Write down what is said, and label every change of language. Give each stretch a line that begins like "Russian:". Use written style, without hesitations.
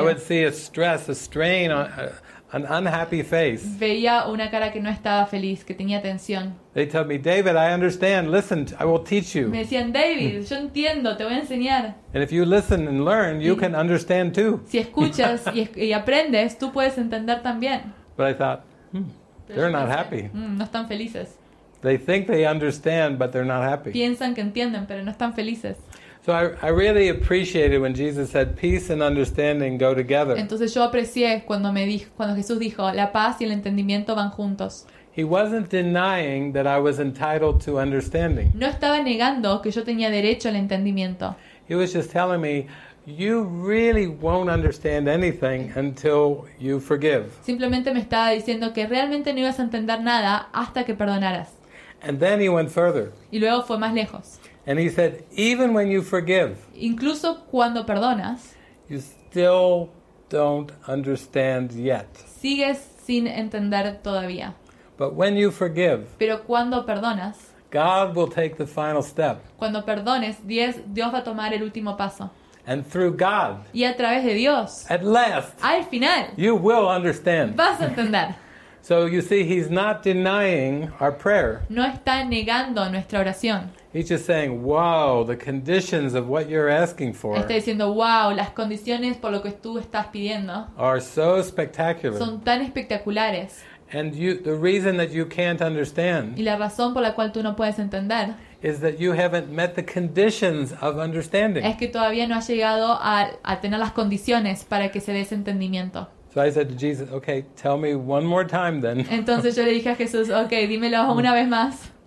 English: I would see a stress, a strain, an unhappy face.
Spanish: Veía una cara que no estaba feliz, que tenía tensión.
English: They told me, David, I understand. Listen, I will teach you.
Spanish: Me decían, David, yo entiendo, te voy a enseñar.
English: And if you listen and learn, you can understand too.
Spanish: Si escuchas y aprendes, tú puedes entender también.
English: But I thought, they're not happy.
Spanish: No están felices.
English: They think they understand, but they're not happy.
Spanish: Piensan que entienden, pero no están felices.
English: So I really appreciated when Jesus said, "Peace and understanding go together."
Spanish: Entonces yo aprecié cuando Jesús dijo, "La paz y el entendimiento van juntos."
English: He wasn't denying that I was entitled to understanding.
Spanish: No estaba negando que yo tenía derecho al entendimiento.
English: He was just telling me, "You really won't understand anything until you forgive."
Spanish: Simplemente me estaba diciendo que realmente no ibas a entender nada hasta que perdonaras.
English: And then he went further.
Spanish: Y luego fue más lejos.
English: And he said, "Even when you forgive,
Spanish: incluso cuando perdonas,
English: you still don't understand yet."
Spanish: Sigues sin entender todavía.
English: But when you forgive,
Spanish: pero cuando perdonas,
English: God will take the final step.
Spanish: Cuando perdones, Dios va a tomar el último paso.
English: And through God,
Spanish: y a través de Dios,
English: at last,
Spanish: al final,
English: you will understand.
Spanish: Vas a entender.
English: So you see, he's not denying our prayer.
Spanish: No está negando nuestra oración.
English: He's just saying, "Wow, the conditions of what you're asking for."
Spanish: Está diciendo, "Wow, las condiciones por lo que tú estás pidiendo."
English: Are so spectacular.
Spanish: Son tan espectaculares.
English: And the reason that you can't understand.
Spanish: Y la razón por la cual tú no puedes entender.
English: Is that you haven't met the conditions of understanding.
Spanish: Es que todavía no has llegado a tener las condiciones para que se dé ese entendimiento.
English: So I said to Jesus, "Okay, tell me one more time then."
Spanish: Entonces yo le dije a Jesús, "Okay, dímelo una vez más."